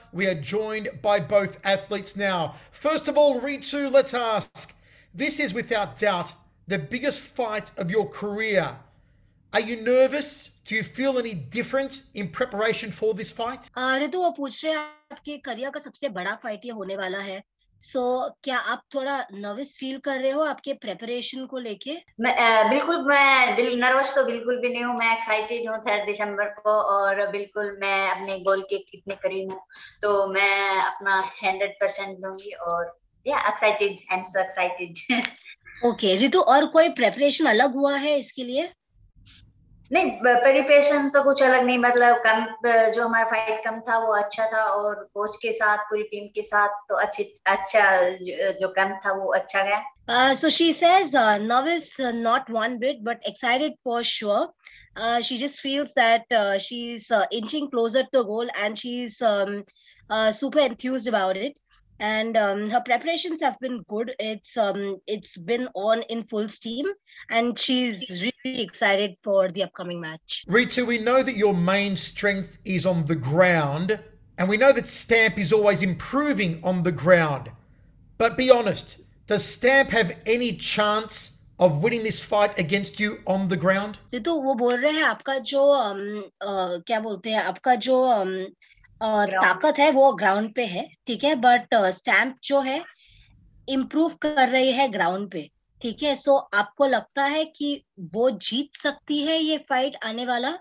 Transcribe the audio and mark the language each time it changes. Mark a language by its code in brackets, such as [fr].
[en] We are joined by both athletes now. First of all, Ritu, let's ask, this is without doubt the biggest fight of your career. Are you nervous? Do you feel any different in preparation for this fight? [hi] Ritu, वो पूछ रहे हैं आपकी career का सबसे बड़ा fight ये होने वाला है. So, क्या आप थोड़ा नर्वस फील कर रहे हो आपके प्रेपरेशन को लेके? मैं बिल्कुल नर्वस तो बिल्कुल भी नहीं हूँ. मैं एक्साइटेड हूँ 3 दिसंबर को, और बिल्कुल मैं अपने गोल के कितने करीब हूँ, तो मैं अपना 100% दूंगी. और excited, [en] I am so excited. [hi] Okay ऋतु, और कोई प्रेपरेशन अलग हुआ है इसके लिए? नहीं, प्रिपरेशन तो कुछ अलग नहीं, मतलब कम जो हमारा फाइट कम था वो अच्छा था, और कोच के साथ पूरी टीम के साथ तो अच्छा जो कम था वो अच्छा गया. [en] So she says nervous not one bit but excited for sure. She just feels that she's inching closer to goal and she's super enthused about it. And her preparations have been good. It's been on in full steam, and she's really excited for the upcoming match. Ritu, we know that your main strength is on the ground, and we know that Stamp is always improving on the ground. But be honest, does Stamp have any chance of winning this fight against you on the ground? [hi] Ritu, वो बोल रहे हैं आपका जो क्या बोलते हैं आपका जो ताकत है वो ग्राउंड पे है, ठीक है, बट स्टैम्प जो है इम्प्रूव कर रही है ग्राउंड पे, ठीक है. सो आपको लगता है कि वो जीत सकती है ये फाइट आने वाला?